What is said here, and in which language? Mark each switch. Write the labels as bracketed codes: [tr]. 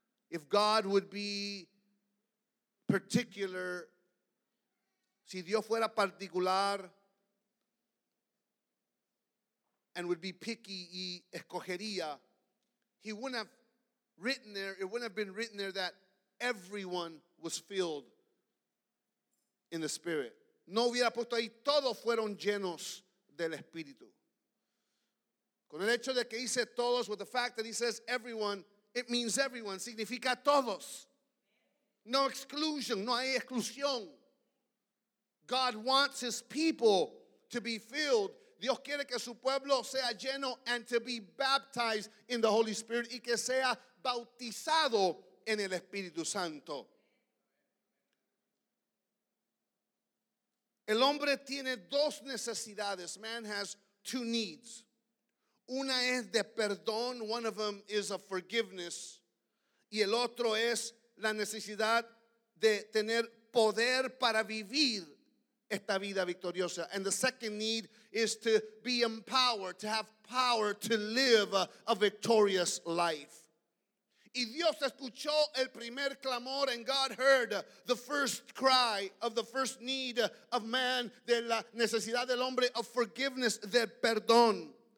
[en] If God would be particular, [es] si Dios fuera particular [en] and would be picky [es] y escogería, [en] he wouldn't have written there, it wouldn't have been written there that everyone was filled in the Spirit. [es] No hubiera puesto ahí, todos fueron llenos del Espíritu. Con el hecho de que dice todos, [en] with the fact that he says everyone, it means everyone, [es] significa todos. [en] No exclusion, [es] no hay exclusión. [en] God wants his people to be filled. [es] Dios quiere que su pueblo sea lleno [en] and to be baptized in the Holy Spirit [es] y que sea bautizado en el Espíritu Santo. El hombre tiene dos necesidades. [en] Man has two needs. [es] Una es de perdón. [en] One of them is of forgiveness. [es] Y el otro es la necesidad de tener poder para vivir esta vida victoriosa. [en] And the second need is to be empowered, to have power to live a victorious life. [es] Y Dios escuchó el primer clamor, [en] and God heard the first cry of the first need of man, [es] de la necesidad del hombre [en] of forgiveness, [es] de perdón.